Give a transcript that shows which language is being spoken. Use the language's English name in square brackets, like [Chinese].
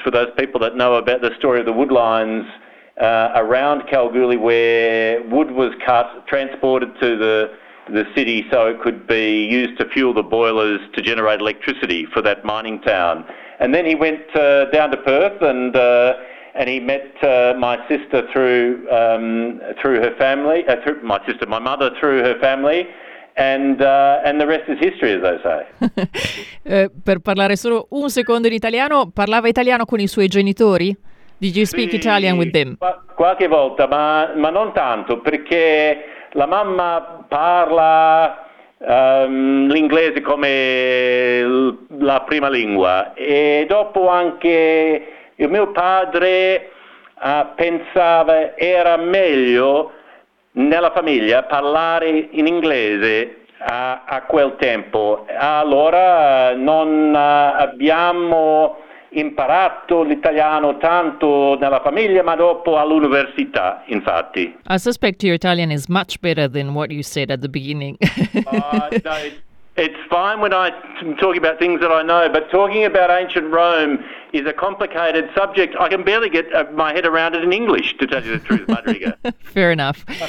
[English] For those people that know about the story of the woodlines, around Kalgoorlie, where wood was cut, transported to the city so it could be used to fuel the boilers to generate electricity for that mining town. And then he went down to Perth and he met my sister through her family. And the rest is history, as they say. [Italian] Per parlare solo un secondo in italiano, parlava italiano con i suoi genitori? [English] Did you speak Italian with them? [Italian] Qualche volta, ma non tanto, perché la mamma parla l'inglese come la prima lingua e dopo anche il mio padre pensava era meglio nella famiglia parlare in inglese a quel tempo. Allora non abbiamo imparato l'italiano tanto nella famiglia, ma dopo all'università, infatti. [English] I suspect your Italian is much better than what you said at the beginning. No, it's fine when I'm talking about things that I know, but talking about ancient Rome is a complicated subject. I can barely get my head around it in English, to tell you the truth, Madriga. Fair enough.